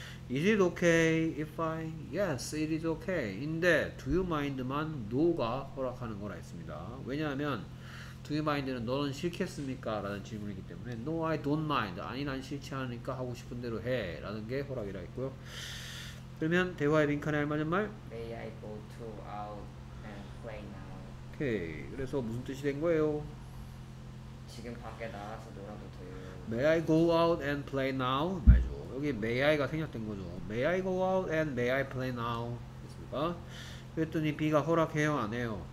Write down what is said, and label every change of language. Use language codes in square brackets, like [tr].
[en] Is it okay if I? Yes, it is okay. [ko] 인데, [en] do you mind [ko] 만 no가 허락하는 거라 했습니다. 왜냐하면, [en] do you mind [ko] 는 너는 싫겠습니까? 라는 질문이기 때문에, [en] No, I don't mind. [ko] 아니, 난 싫지 않으니까 하고 싶은 대로 해. 라는 게 허락이라 했고요. 그러면, 대화의 빈칸에 알맞은 말? [en] May I go to out and play now? [ko] 오케이. 그래서 무슨 뜻이 된 거예요? 지금 밖에 나가서 놀아도 돼요. [en] May I go out and play now? [ko] 맞죠. 여기 [en] may I [ko] 가 생략된 거죠. [en] May I go out and may I play now? [ko] 됐습니까? 그랬더니 B가 허락해요, 안 해요?